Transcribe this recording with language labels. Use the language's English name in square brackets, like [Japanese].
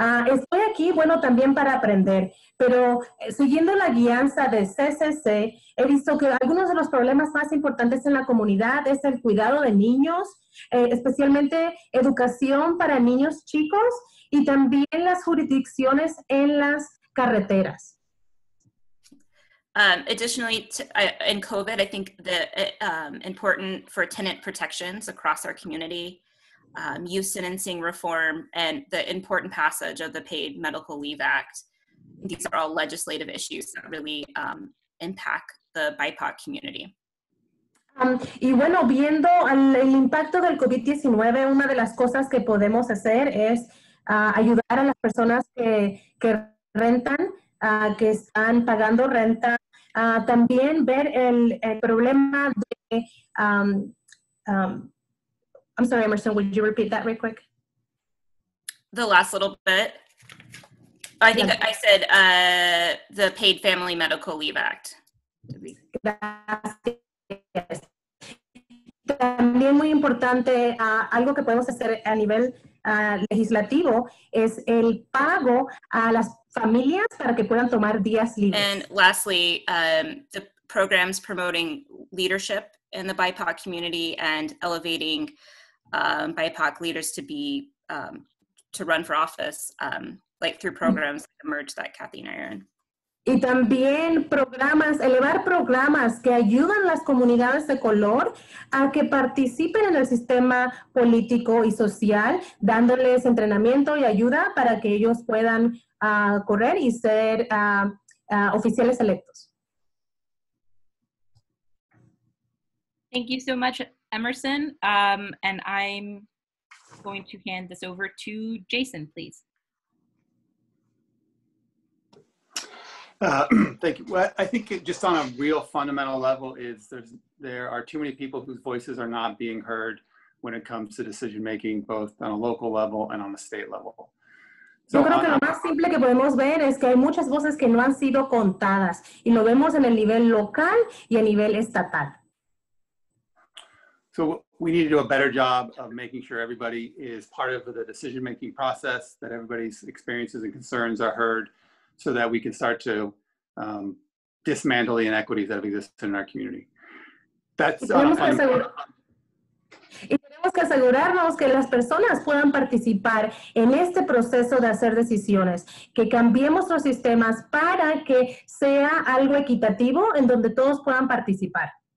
[Spanish] Estoy aquí, bueno, también para aprender, pero siguiendo la guianza de CCC, he visto que algunos de los problemas más importantes en la comunidad es el cuidado de niños, especialmente educación para niños chicos y también las jurisdicciones en las carreteras. [English] Additionally, in COVID, I think the important for tenant protections across our community, youth sentencing reform, and the important passage of the Paid Medical Leave Act. These are all legislative issues that really impact the BIPOC community. [Spanish] Y bueno, viendo el impacto del COVID-19, una de las cosas que podemos hacer es ayudar a las personas que rentan, que están pagando renta. También ver el problema de, [English] I'm sorry, Emerson, would you repeat that real quick? The last little bit. I think I said the Paid Family Medical Leave Act. [Spanish] Gracias. También muy importante, algo que podemos hacer a nivel legislativo es el pago a las familias para que puedan tomar días libres. [English] And lastly, the programs promoting leadership in the BIPOC community and elevating BIPOC leaders to be to run for office, like through programs like Emerge that Kathy and I are in. [Spanish] Y también programas, elevar programas que ayudan las comunidades de color a que participen en el sistema político y social, dándoles entrenamiento y ayuda para que ellos puedan correr y ser oficiales electos. [English] Thank you so much, Emerson. And I'm going to hand this over to Jason, please. Thank you. Well, I think it, just on a real fundamental level, is there are too many people whose voices are not being heard when it comes to decision making, both on a local level and on a state level. [Spanish] So, yo creo que lo más simple que podemos ver es que hay muchas voces que no han sido contadas, y lo vemos en el nivel local y a nivel estatal. [English] So we need to do a better job of making sure everybody is part of the decision making process, that everybody's experiences and concerns are heard, so that we can start to dismantle the inequities that have existed in our community. That's [Spanish] Y tenemos que asegurarnos que las personas puedan participar en este proceso de hacer decisiones, que cambiemos los sistemas para que sea algo equitativo en donde todos puedan participar.